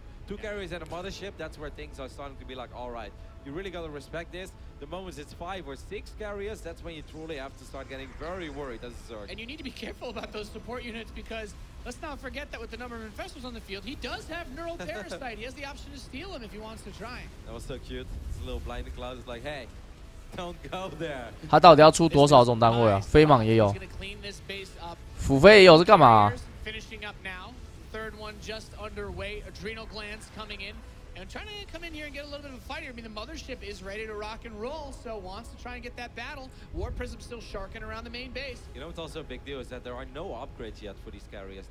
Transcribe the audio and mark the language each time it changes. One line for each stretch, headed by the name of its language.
English: Two carriers and a mothership, that's where things are starting to be like, all right, you really gotta respect this. The moment it's 5 or 6 carriers, that's when you truly have to start getting very worried as a Zerg. And you need to be careful about those support units because let's not forget that with the number of infestors on the field, he does have Neural Parasite. He has the option to steal him if he wants to try. That was so cute. It's a little blind cloud. It's like, hey, don't go there.
Chinese: 他到底要出多少种单位啊？飞蟒也有，腐飞也有，是干嘛？
English: Finishing up now. Third one just underway. Adrenal glands coming in, and trying to come in here and get a little bit of a fight here. I mean, the mothership is ready to rock and roll, so wants to try and get that battle. War prism still sharking around the main base. You know what's also a big deal is that there are no upgrades yet for these carriers.